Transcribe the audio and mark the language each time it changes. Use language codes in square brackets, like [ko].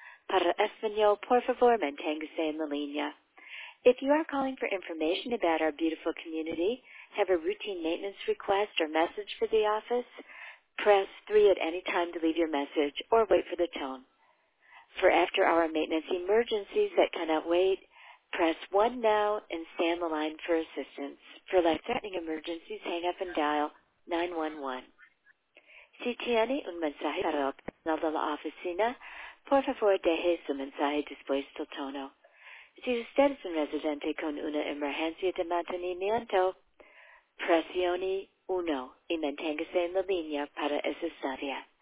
[es] Para español, por favor, manténgase en la línea. [en] If you are calling for information about our beautiful community, have a routine maintenance request or message for the office, press 3 at any time to leave your message or wait for the tone. For after-hour maintenance emergencies that cannot wait, press 1 now and stay on the line for assistance. For life-threatening emergencies, hang up and dial 911. [es] Si tiene un mensaje para el personal de la oficina, por favor, deje su mensaje después del tono. Si usted es un residente con una emergencia de mantenimiento, presione 1 y manténgase en la línea para asistencia.